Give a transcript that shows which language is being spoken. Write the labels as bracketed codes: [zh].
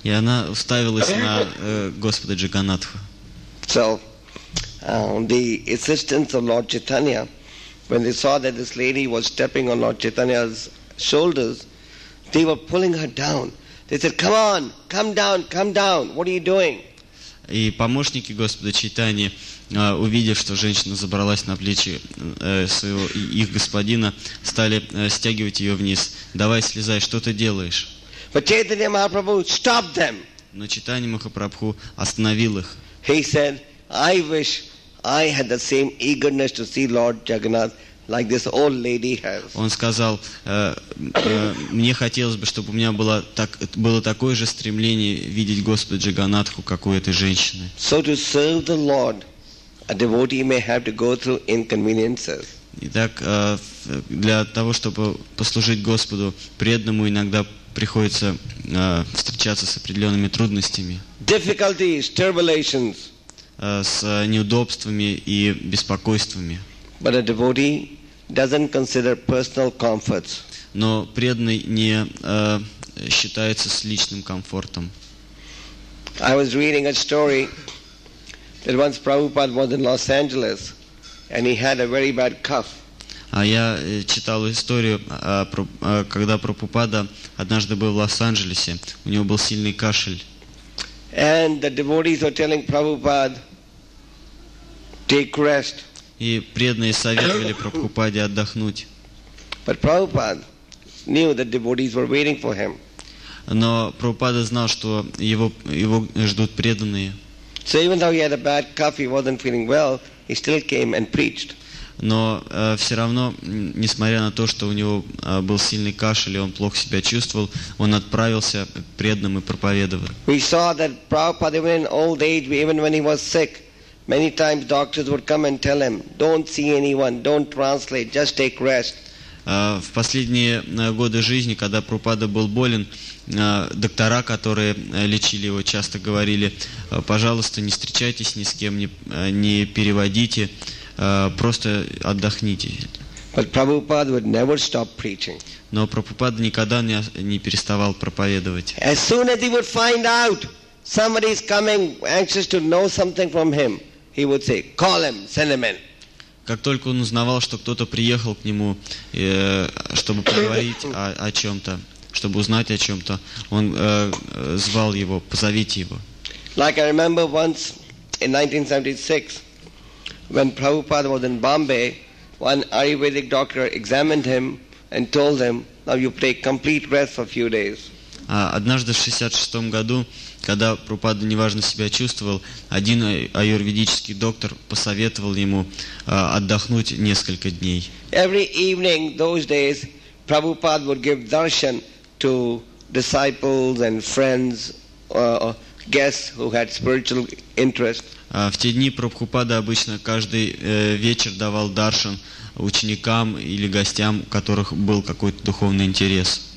[ru] И она уставилась на Господа Джаганнатху. [en] So, the assistants of Lord Chaitanya, when they saw that this lady was stepping on Lord Chaitanya's shoulders, they were pulling her down. They said, "Come on, come down, come down. What are you doing?" [ru] И помощники Господа Чайтаньи, увидев, что женщина забралась на плечи своего их господина, стали стягивать ее вниз. «Давай, слезай, что ты делаешь?» [en] But Chaitanya Mahaprabhu stopped them. [ru] Но Чайтанья Махапрабху остановил их. [en] He said, "I wish I had the same eagerness to see Lord Jagannath like this old lady has." [ru] Он сказал, мне хотелось бы, чтобы у меня было такое же стремление видеть Господа Джаганнатху, как у этой женщины. [en] So to serve the Lord, a devotee may have to go through inconveniences. [ru] Итак, для того, чтобы послужить Господу, преданному иногда приходится встречаться с определенными трудностями. [en] Difficulties, tribulations. [ru] С неудобствами и беспокойствами. [en] But a devotee doesn't consider personal comforts. [ru] Но преданный не считается с личным комфортом. [en] I was reading a story that once Prabhupada was in Los Angeles and he had a very bad cough. [ru] А я читал историю, когда Прабхупада однажды был в Лос-Анджелесе, у него был сильный кашель. [en] And the devotees were telling Prabhupada, take rest. [ru] И преданные советовали Прабхупаде отдохнуть. [en] But Prabhupada knew that devotees were waiting for him. [ru] Но Прабхупада знал, что его ждут преданные. [en] So even though he had a bad cough, he wasn't feeling well, he still came and preached. [ru] Но все равно, несмотря на то, что у него был сильный кашель и он плохо себя чувствовал, он отправился преданным и проповедовал. [en] We saw that Prabhupada, even in old age, even when he was sick, many times doctors would come and tell him, "Don't see anyone, don't translate, just take rest." [ru] в последние годы жизни, когда Прабхупада был болен, доктора, которые лечили его, часто говорили: пожалуйста, не встречайтесь ни с кем, не переводите, просто отдохните. [en] But Prabhupada would never stop preaching. [ru] Но Прабхупада никогда не переставал проповедовать. [en] As soon as he would find out somebody is coming anxious to know something from him, he would say, call him, send him in. [ru] Как только он узнавал, что кто-то приехал к нему, чтобы поговорить о чем-то, чтобы узнать о чем-то, он звал его, позовите его. [en] Like I remember once in 1976, when Prabhupada was in Bombay, one Ayurvedic doctor examined him and told him, now you take complete rest for a few days. [ru] Однажды в 66-м году, когда Прабхупада неважно себя чувствовал, один аюрведический доктор посоветовал ему отдохнуть несколько дней. [en] Every evening those days Prabhupada would give darshan to disciples and friends, guests who had spiritual interest. [ru] В те дни Прабхупада обычно каждый вечер давал даршан ученикам или гостям, у которых был какой-то духовный интерес.